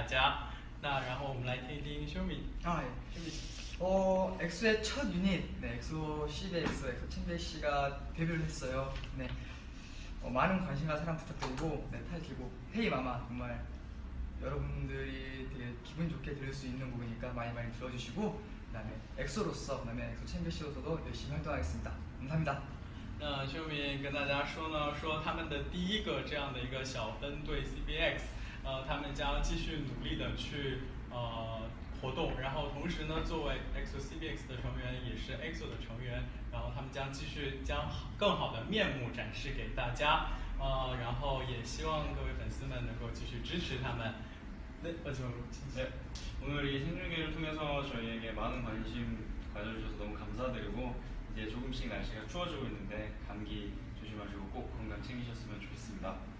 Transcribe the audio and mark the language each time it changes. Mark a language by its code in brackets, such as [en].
[zh] 那刚才백형对大家就说很抱歉不能经常到中国去看各位粉丝们但是呢也非常感谢在那边支持和为我们加油的粉丝朋友们然后他最后说了他非常的爱大家那然后我们来听听修敏 [ko] 엑소의 첫 유닛 네, 엑소 CBX 엑소 챔베시가 데뷔를 했어요 네 많은 관심과 사랑 부탁드리고 네 타이틀곡 헤이 마마 정말 여러분들이 되게 기분 좋게 들을 수 있는 곡이니까 많이 많이 들어주시고 그다음에 엑소로서 그다음에 엑소 챔피언으로서도 열심히 활동하겠습니다. 감사합니다. [zh] 那秀敏跟大家说呢，说他们的第一个这样的一个小分队 CBX， 他们将继续努力的去活动，然后同时呢，作为 EXO CBX 的成员，也是 EXO 的成员，然后他们将继续将更好的面目展示给大家。然后也希望各位粉丝们能够继续支持他们 [ko] 네, 마지막으로 네, 오늘 이 생중계를 통해서 저희에게 많은 관심 가져주셔서 너무 감사드리고 이제 조금씩 날씨가 추워지고 있는데 감기 조심하시고 꼭 건강 챙기셨으면 좋겠습니다